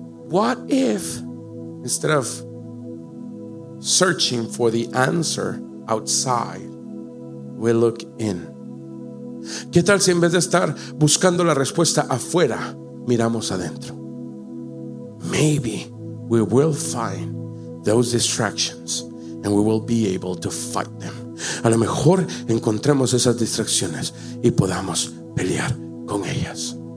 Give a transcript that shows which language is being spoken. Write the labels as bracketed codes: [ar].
[en] What if instead of searching for the answer outside, we look in? [es] ¿Qué tal si en vez de estar buscando la respuesta afuera, miramos adentro? [en] Maybe we will find those distractions and we will be able to fight them. [es] A lo mejor encontremos esas distracciones y podamos pelear con ellas.